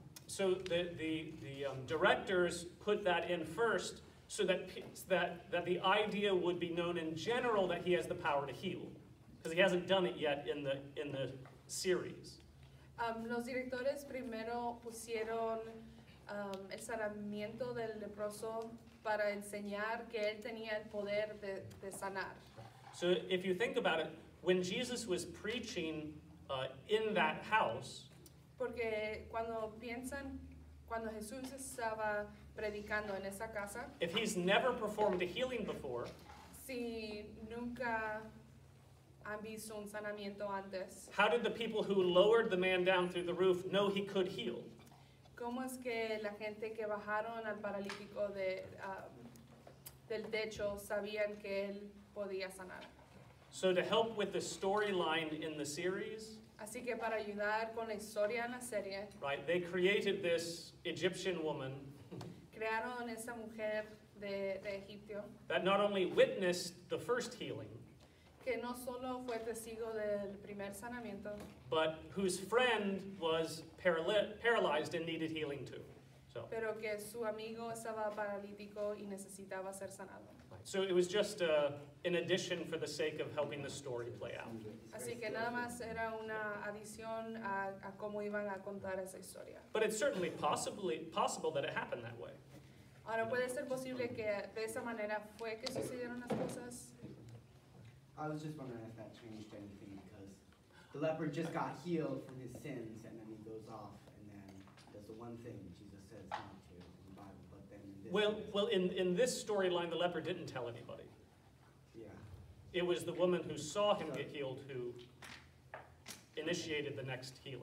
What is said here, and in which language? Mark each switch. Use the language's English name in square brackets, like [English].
[English] So the directors put that in first, so that the idea would be known in general that he has the power to heal, because he hasn't done it yet in the series. [Spanish] Los directores primero pusieron el sanamiento del leproso para enseñar que él tenía el poder de sanar. [English] So if you think about it, when Jesus was preaching in that house. [Spanish] Porque cuando piensan, cuando Jesús estaba predicando en esa casa. [English] If he's never performed a healing before. [Spanish] Si nunca han visto un sanamiento antes. [English] How did the people who lowered the man down through the roof know he could heal? [Spanish] ¿Cómo es que la gente que bajaron al paralítico de del techo sabían que él podía sanar? [English] So to help with the storyline in the series. [Spanish] Así que para ayudar con la historia en la serie. [English] Right, they created this Egyptian woman. [Spanish] Crearon esa mujer de Egipto. [English] That not only witnessed the first healing. [Spanish] Que no solo fue testigo del primer sanamiento. [English] But whose friend was paralyzed and needed healing too. So. [Spanish] Pero que su amigo estaba paralítico y necesitaba ser sanado. [English] So it was just an addition for the sake of helping the story play out. [Spanish] Así que nada más era una adición a cómo iban a contar esa historia. [English] But it's certainly possible that it happened that way. [Spanish] Ahora puede ser posible que de esa manera fue que sucedieron las cosas. [English] I was just wondering if that changed anything because the leper just got healed from his sins and then he goes off and then does the one thing Jesus says not to. Well, in this storyline, the leper didn't tell anybody. Yeah. It was the woman who saw him get healed who initiated the next healing.